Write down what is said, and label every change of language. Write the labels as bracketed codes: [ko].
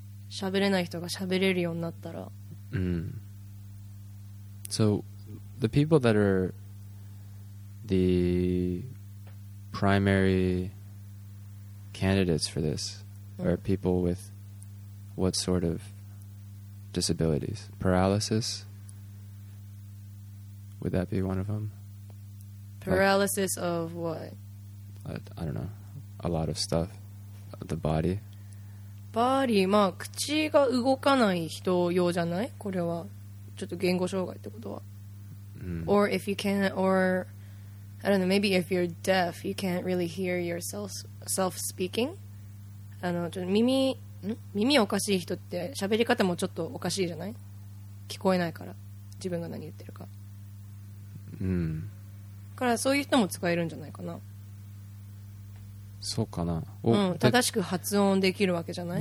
[ja] 喋れない人が喋れるようになったら、 mm. [en] So the people that are the primary candidates for this are people with what sort of disabilities? Paralysis? Would that be one of them? Paralysis like, of what? I don't know. A lot of stuff. The body [ja] バーリー、まあ口が動かない人用じゃない？これはちょっと言語障害ってことは、 mm. [en] Or if you can't, or I don't know, maybe if you're deaf, you can't really hear yourself speaking. [ja] あのちょっと耳、ん？耳おかしい人って喋り方もちょっとおかしいじゃない？聞こえないから自分が何言ってるか。 Mm. からそういう人も使えるんじゃないかな。そうかな。うん、正しく発音できるわけじゃない。